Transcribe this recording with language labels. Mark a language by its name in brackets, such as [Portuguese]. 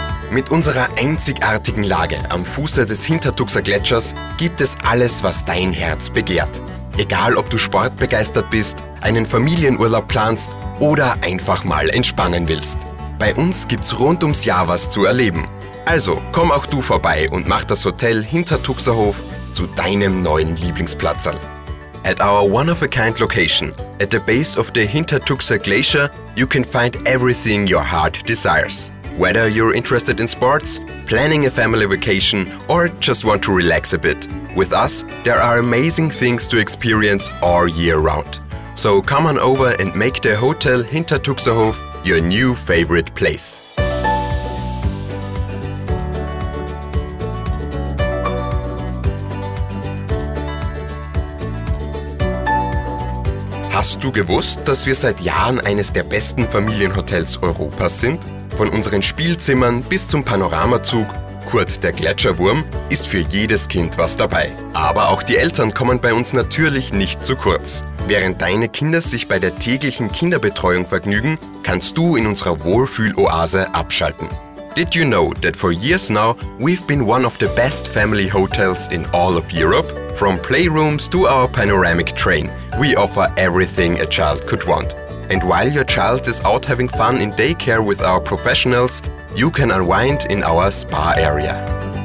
[German] Mit unserer einzigartigen Lage am Fuße des Hintertuxer Gletschers gibt es alles, was dein Herz begehrt. Egal, ob du sportbegeistert bist, einen Familienurlaub planst oder einfach mal entspannen willst. Bei uns gibt's rund ums Jahr was zu erleben. Also komm auch du vorbei und mach das Hotel Hintertuxerhof zu deinem neuen Lieblingsplatzerl. [English] At our one-of-a-kind location, at the base of the Hintertuxer Glacier, you can find everything your heart desires. Whether you're interested in sports, planning a family vacation, or just want to relax a bit. With us, there are amazing things to experience all year round. So come on over and make the Hotel Hintertuxerhof your new favorite place. [German] Hast du gewusst, dass wir seit Jahren eines der besten Familienhotels Europas sind? Von unseren Spielzimmern bis zum Panoramazug, Kurt der Gletscherwurm, ist für jedes Kind was dabei. Aber auch die Eltern kommen bei uns natürlich nicht zu kurz. Während deine Kinder sich bei der täglichen Kinderbetreuung vergnügen, kannst du in unserer Wohlfühloase abschalten. [English] Did you know that for years now we've been one of the best family hotels in all of Europe? From playrooms to our panoramic train, we offer everything a child could want. And while your child is out having fun in daycare with our professionals, you can unwind in our spa area.